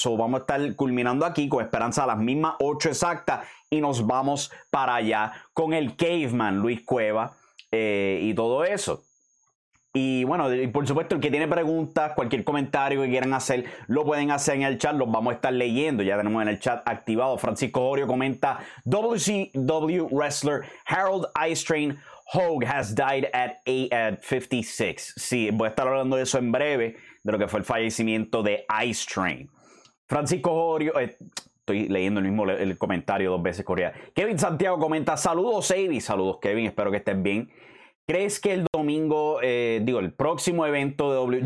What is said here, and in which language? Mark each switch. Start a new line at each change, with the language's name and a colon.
Spanish: So, vamos a estar culminando aquí con esperanza a las mismas 8 exactas y nos vamos para allá con el Caveman, Luis Cueva, y todo eso. Y bueno, y por supuesto, el que tiene preguntas, cualquier comentario que quieran hacer, lo pueden hacer en el chat, los vamos a estar leyendo. Ya tenemos en el chat activado.
English: Francisco Orio comenta: WCW Wrestler Harold Eyestrain Hogue has died at 56.
Spanish: Sí, voy a estar hablando de eso en breve, de lo que fue el fallecimiento de Eyestrain. Francisco Jorio, estoy leyendo el mismo el comentario dos veces corrida. Kevin Santiago comenta: saludos, Avi. Saludos, Kevin, espero que estén bien. ¿Crees que el domingo, el próximo evento de W?